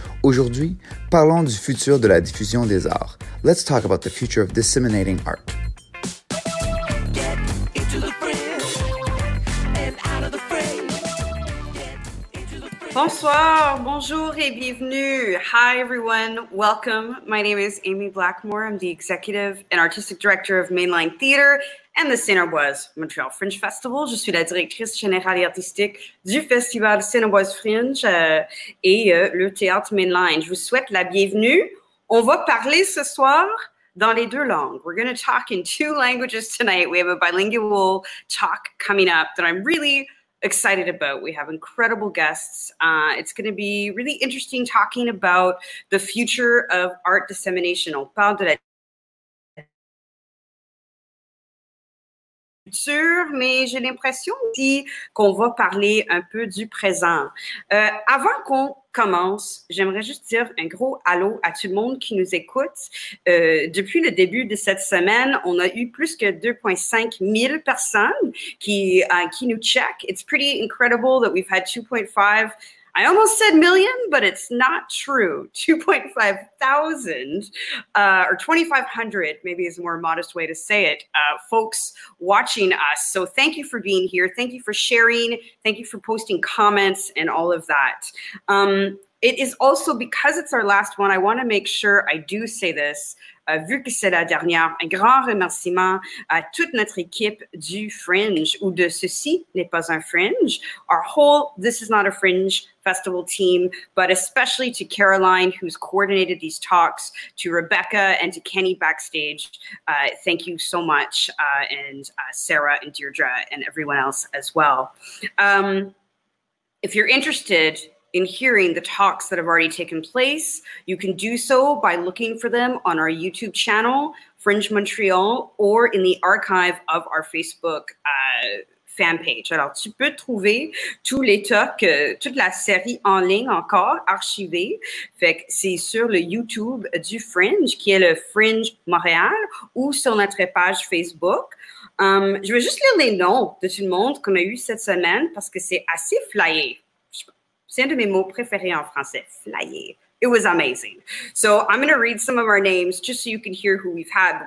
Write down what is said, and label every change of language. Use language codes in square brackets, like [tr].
[fr] Aujourd'hui, parlons du futur de la diffusion des arts. [en] Let's talk about the future of disseminating art. [fr] Bonsoir, bonjour et bienvenue. [en] Hi everyone, welcome. My name is Amy Blackmore. I'm the executive and artistic director of Mainline Theatre and the Cinéboise Montreal Fringe Festival. [fr] Je suis la directrice générale et artistique du festival Cinéboise Fringe et le théâtre Mainline. Je vous souhaite la bienvenue. On va parler ce soir dans les deux langues. [en] We're going to talk in two languages tonight. We have a bilingual talk coming up that I'm really excited about. We have incredible guests. It's going to be really interesting talking about the future of art dissemination. [fr] On parle de la future, mais j'ai l'impression aussi qu'on va parler un peu du présent. Avant qu'on commence, j'aimerais juste dire un gros allô à tout le monde qui nous écoute. Depuis le début de cette semaine, on a eu plus que 2,5 000 personnes qui nous check. [en] It's pretty incredible that we've had 2.5, I almost said million, but it's not true. 2,500 or 2,500 maybe is a more modest way to say it, folks watching us. So thank you for being here. Thank you for sharing. Thank you for posting comments and all of that. It is also, because it's our last one, I want to make sure I do say this, [fr] vu que c'est la dernière, un grand remerciement à toute notre équipe du Fringe, ou de Ceci n'est pas un Fringe, [en] our whole This Is Not a Fringe Festival team, but especially to Caroline, who's coordinated these talks, to Rebecca and to Kenny backstage. Thank you so much, and Sarah and Deirdre and everyone else as well. If you're interested in hearing the talks that have already taken place, you can do so by looking for them on our YouTube channel, Fringe Montreal, or in the archive of our Facebook fan page. [fr] Alors, tu peux trouver tous les talks, toute la série en ligne encore, archivée. Fait que c'est sur le YouTube du Fringe, qui est le Fringe Montréal, ou sur notre page Facebook. Je vais juste lire les noms de tout le monde qu'on a eu cette semaine, parce que c'est assez flyé. C'est un de mes mots préférés en français, flyer. [en] It was amazing. So I'm going to read some of our names just so you can hear who we've had.